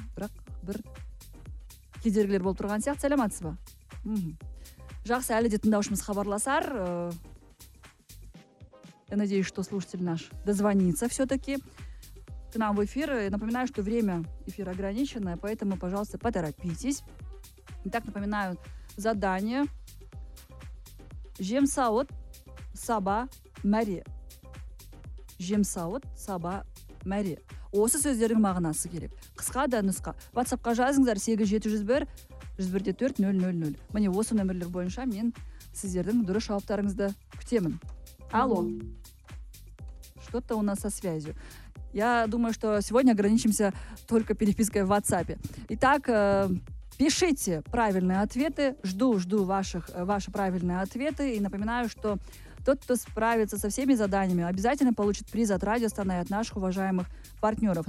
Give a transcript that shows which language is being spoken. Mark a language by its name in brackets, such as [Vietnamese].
[Kazakh] Бірақ бір кедергілер болып тұрған сияқты, сәлеметсіз бе? Жақсы, әлі де тыңдаушымыз хабарласар. [Russian] Я надеюсь, что слушатель наш дозвонится все-таки к нам в эфир. Напоминаю, что время эфира ограниченное, поэтому, пожалуйста, поторопитесь. Итак, напоминаю, задание. Жемсаут саба мэри. Жемсаут саба мэри. [Kazakh] Осы сөздерің мағынасы керек. Қысқа да нұсқа. WhatsApp-қа жазыңыздар 8701-104-000. Міне осы нөмірлер бойынша мен сіздердің дұрыс жауаптарыңызды күтемін. [Russian] Алло. Что-то у нас со связью. Я думаю, что сегодня ограничимся только перепиской в WhatsApp. Итак, пишите правильные ответы. Жду ваши правильные ответы. И напоминаю, что тот, кто справится со всеми заданиями, обязательно получит приз от радио «Станай» от наших уважаемых партнеров.